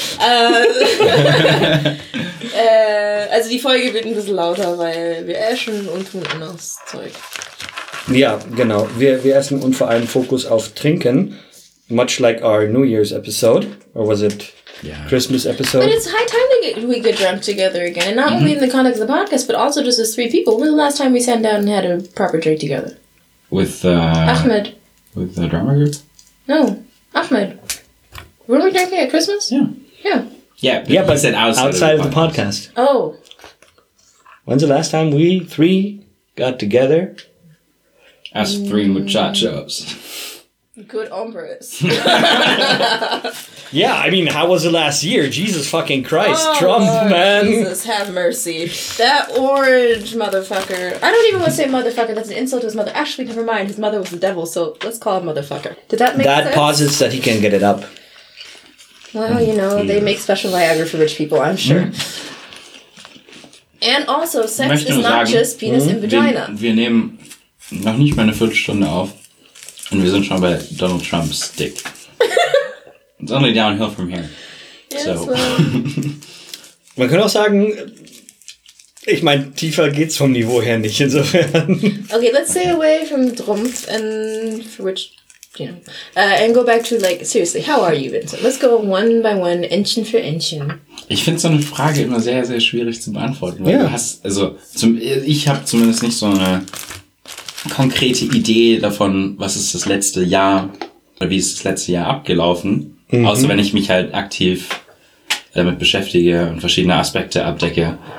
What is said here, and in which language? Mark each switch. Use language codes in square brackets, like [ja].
[de] also die Folge wird ein bisschen lauter, weil wir äschen und tun das Zeug. Ja, genau. Wir essen und vor allem Fokus auf Trinken. [en] Much like our New Year's episode. Or was it Christmas episode? But it's high time to get, we get drunk together again. Not only in the context of the podcast, but also just as three people. When was the last time we sat down and had a proper drink together? With Ahmed. With the drama group? No. Ahmed. Were we drinking at Christmas? Yeah. Yeah. Yeah, but said outside of the podcast. Oh. When's the last time we three got together? As three muchachos. Good hombres. Yeah, I mean, how was it last year? Jesus fucking Christ. Oh, Trump, Lord, man. Jesus, have mercy. That orange motherfucker. I don't even want to say motherfucker. That's an insult to his mother. Actually, never mind. His mother was the devil, so let's call him motherfucker. Did that make that sense? That pauses that he can get it up. Well, you know, they make special Viagra for rich people, I'm sure. And also, sex is not [de] sagen, [en] just penis and vagina. [de] Wir nehmen noch nicht mal eine Viertelstunde auf. Und wir sind schon bei [en] Donald Trump's dick. It's only downhill from here. Yes, so. Well. [de] Man kann auch sagen, ich meine, tiefer geht's vom Niveau her nicht insofern. [en] Okay, let's stay away from Trumpf and for which, you know, and go back to like, seriously, how are you, Vincent? Let's go one by one, [de] Inchen für Inchen. Ich finde so eine Frage immer sehr, sehr schwierig zu beantworten. Weil du hast, also zum, ich habe zumindest nicht so eine konkrete Idee davon, was ist das letzte Jahr oder wie ist das letzte Jahr abgelaufen. Mhm. Außer wenn ich mich halt aktiv damit beschäftige und verschiedene Aspekte abdecke.